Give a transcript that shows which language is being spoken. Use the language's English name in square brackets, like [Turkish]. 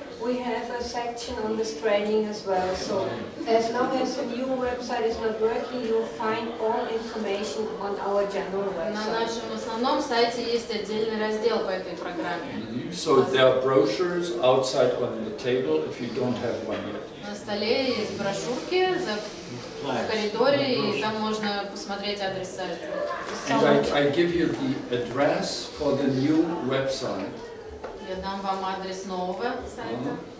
[English] We have a section on this training as well. So as long as the new website is not working, you'll find all information on our general website. [Russian] На нашем основном сайте есть отдельный раздел по этой программе. [English] So there are brochures outside on the table if you don't have one yet. [Russian] На столе есть брошюрки в коридоре, и там можно посмотреть адрес сайта. [English] And I give you the address for the new website. [Russian] Я дам вам адрес нового сайта.